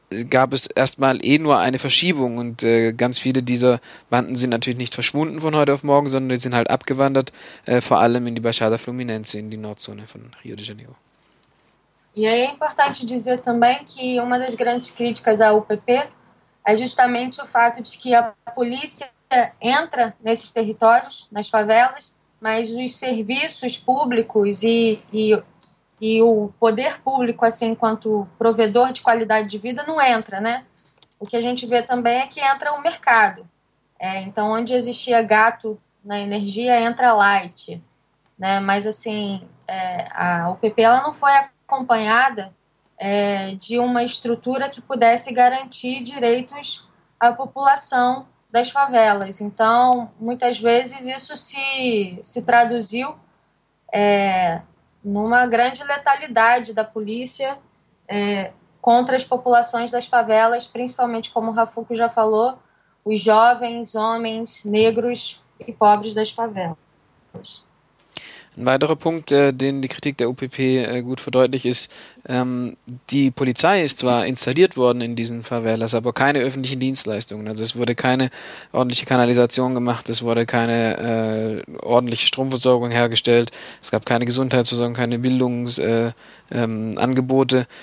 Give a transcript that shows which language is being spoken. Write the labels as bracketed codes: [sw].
[de] gab es erstmal nur eine Verschiebung, und ganz viele dieser Banden sind natürlich nicht verschwunden von heute auf morgen, sondern die sind halt abgewandert, vor allem in die Baixada Fluminense, in die Nordzone von Rio de Janeiro. [pt] E aí é importante dizer também que uma das grandes críticas à UPP é justamente o fato de que a polícia entra nesses territórios, nas favelas, mas os serviços públicos e o poder público, assim, enquanto provedor de qualidade de vida, não entra, né? O que a gente vê também é que entra o mercado. Então, onde existia gato na energia, entra light, né? Mas, assim, a UPP ela não foi acompanhada de uma estrutura que pudesse garantir direitos à população das favelas. Então, muitas vezes, isso se traduziu numa grande letalidade da polícia contra as populações das favelas, principalmente, como o Rafuco já falou, os jovens, homens, negros e pobres das favelas. [de] Ein weiterer Punkt, den die Kritik der UPP gut verdeutlicht, ist, die Polizei ist zwar installiert worden in diesen Favelas, aber keine öffentlichen Dienstleistungen. Also es wurde keine ordentliche Kanalisation gemacht, es wurde keine ordentliche Stromversorgung hergestellt, es gab keine Gesundheitsversorgung, keine Bildungsangebote.